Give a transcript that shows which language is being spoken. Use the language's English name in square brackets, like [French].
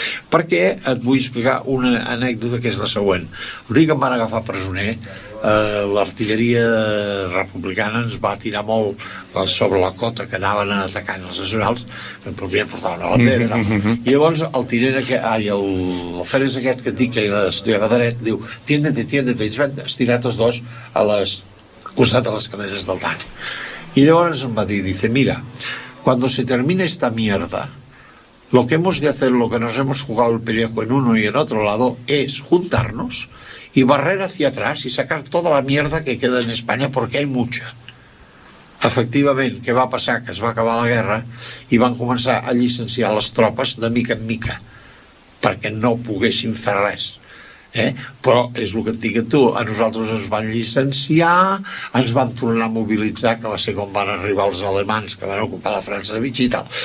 [Catalan] Perquè et vull explicar una anècdota que és la següent. El dia que em van agafar presoner, l'artilleria republicana ens va tirar molt sobre la cota que anaven atacant els nacionals, que podrien portar una bandera, i llavors el tirer aquest, ai, el Ferres aquest que et dic que era d'estudiar a dret, diu, [Spanish] tiéndete, tiéndete, [Catalan] ells van estirar tots dos a les costat de les cadenes del tanc. I llavors em va dir, [Spanish] dice, mira, cuando se termine esta mierda, lo que hemos de hacer, lo que nos hemos jugado el pellejo en uno y en otro lado, es juntarnos y barrer hacia atrás y sacar toda la mierda que queda en España, porque hay mucha. [Catalan] Efectivament, què va passar? Que es va acabar la guerra i van començar a llicenciar les tropes de mica en mica, perquè no poguessin fer res. Però és el que et dic a tu, a nosaltres ens van llicenciar, ens van tornar a mobilitzar, que va ser com van arribar els alemans que van ocupar la França de Vichy i tal.